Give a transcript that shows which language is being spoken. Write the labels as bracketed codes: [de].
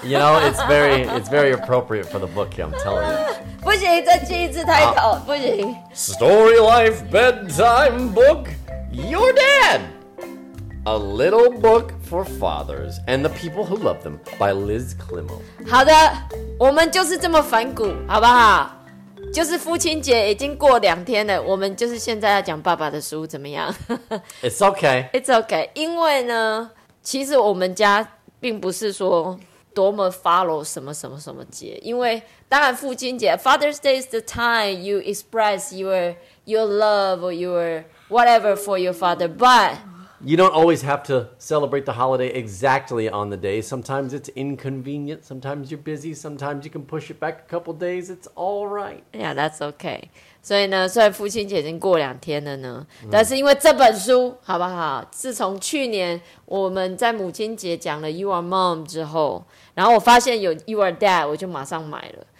[en] You know, it's very appropriate for the book. I'm telling you. [zh] 不行，再记一次 title， 不行。 [en] Story life, bedtime book. Your dad, a little book for fathers and the people who love them by Liz Klimo. [zh] 好的，我们就是这么反骨，好不好？就是父亲节已经过两天了，我们就是现在要讲爸爸的书怎么样 [en] ？It's okay. It's okay. [zh] 因为呢，其实我们家并不是说多么 follow 什么什么什么节，因为当然父亲节 [en] Father's Day is the time you express your love or your whatever for your father, but you don't always have to celebrate the holiday exactly on the day. Sometimes it's inconvenient. Sometimes you're busy. Sometimes you can push it back a couple days. It's all right. Yeah, that's okay. [zh] 所以呢，虽然父亲节已经过两天了呢，但是因为这本书，好不好？自从去年我们在母亲节讲了 You Are Mom 之后，然后我发现有 You Are Dad， 我就马上买了。